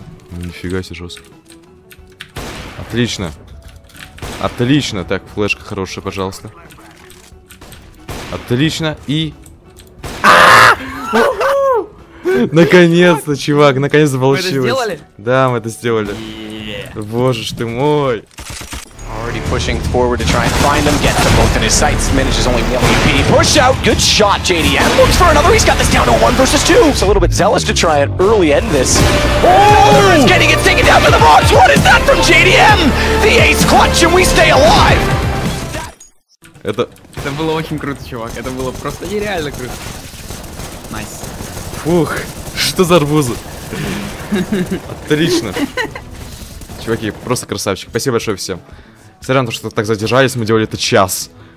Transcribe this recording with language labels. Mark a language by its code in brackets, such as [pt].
[ru] Нифига себе жестко. Отлично. Отлично. Так, флешка хорошая, пожалуйста. Отлично. И... Наконец-то, чувак, наконец-то получилось. Мы это сделали? Да, мы это сделали. Боже ж ты мой. [en] Pushing forward to try and find him, gets them both in his sights, manages only the LVP. Push out, good shot, JDM looks for another, he's got this down to one versus two. It's a little bit zealous to try and early end this. Oh! Is getting it taken down to the box, what is that from JDM? The ace clutch and we stay alive! [ru] Это было очень круто, чувак, это было просто нереально круто. Найс. Фух, что за арбузы? Отлично. Чуваки, просто красавчик, спасибо большое всем. Несмотря на то, что так задержались, мы делали это час.